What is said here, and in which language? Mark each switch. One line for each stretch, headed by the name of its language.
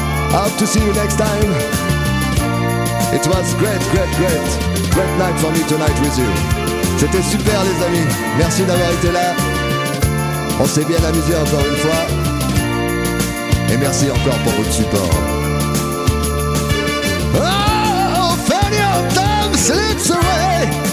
English: Hope to see you next time. It was great, great, great. Great night for me tonight with you.
French: C'était super, les amis. Merci d'avoir été là. On s'est bien amusé encore une fois. Et merci encore pour votre support.
English: Oh, Fanny, your time slips away.